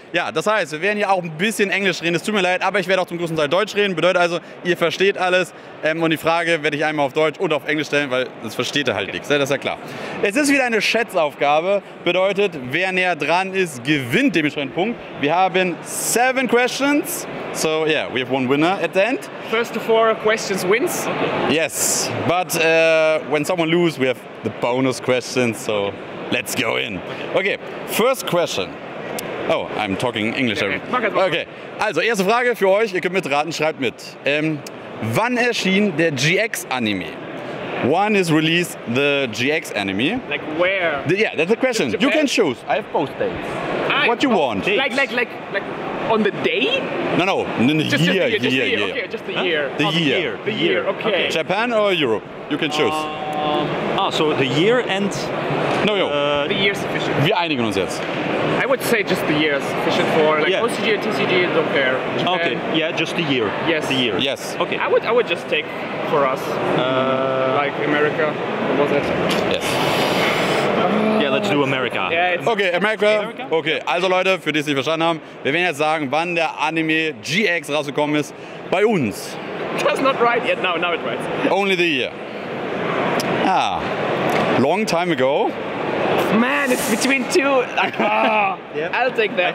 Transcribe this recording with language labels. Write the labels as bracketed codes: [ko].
[de] Ja, das heißt, wir werden hier auch ein bisschen Englisch reden. Es tut mir leid, aber ich werde auch zum großen Teil Deutsch reden. Bedeutet also, ihr versteht alles. Und die Frage werde ich einmal auf Deutsch und auf Englisch stellen, weil das versteht ihr halt nichts. Das ist ja klar. Es ist wieder eine Schätzaufgabe. Bedeutet, wer näher dran ist, gewinnt dementsprechend einen Punkt. Wir haben 7 questions. [en] So, yeah, we have one winner at the end. First of 4 questions wins. Okay. Yes, but when someone loses, we have the bonus questions. So, let's go in. Okay, first question. Oh, I'm talking English. [de] Okay, also erste Frage für euch, ihr könnt mitraten, schreibt mit. Wann erschien der GX-Anime? [en] One is released the GX-Anime. Like where? Yeah, that's the question. You can choose. I have both dates. What you want? Like on the day? No, just the year. Okay, just the year. Okay. Japan or Europe? You can choose. So the year and... No. The year is sufficient. [de] Wir einigen uns jetzt. [en] I would say just the year is sufficient for, like, OCG and TCG is okay. Okay, yeah, just the year. Yes. The year. Yes. Okay. I would just take for us, like America, what was it? Yes. Yeah, let's do America. Yeah, okay, America. [de] Okay, also Leute, für die es nicht verstanden haben, wir werden jetzt sagen, wann der Anime GX rausgekommen ist bei uns. [en] That's not right yet. Now it writes. Only the year. Ah, long time ago. Man, it's between two. Yep. I'll take that.